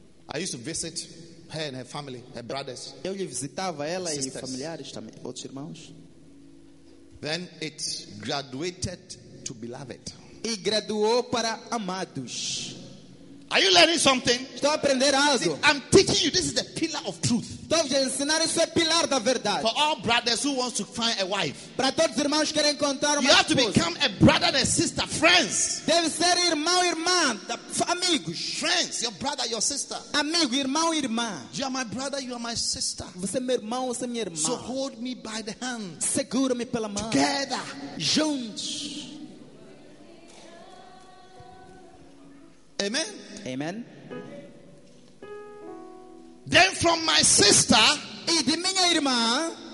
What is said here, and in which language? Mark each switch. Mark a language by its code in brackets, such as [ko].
[en] I used to visit her and her family, her brothers. [pt] Eu lhe visitava ela e familiares também, outros irmãos. [en] Then it graduated to beloved. [pt] E graduou para amados. [en] Are you learning something? [pt] Estou a aprender algo. [en] See, I'm teaching you. This is the pillar of truth. [pt] Estou a ensinar isso é pilar da verdade. [en] For all brothers who want to find a wife. [pt] Para todos os irmãos que querem encontrar uma esposa. [en] You have to become a brother and a sister, friends. [pt] Deve ser irmão e irmã, amigos. [en] Friends, your brother, your sister. [pt] Amigo, irmão e irmã. [en] You are my brother, you are my sister. [pt] Você é meu irmão, você é minha irmã. [en] So hold me by the hand. [pt] Segura-me pela mão. [en] Together. [pt] Juntos. Amen. Amen. [en] Then from my sister, [pt] E de minha irmã,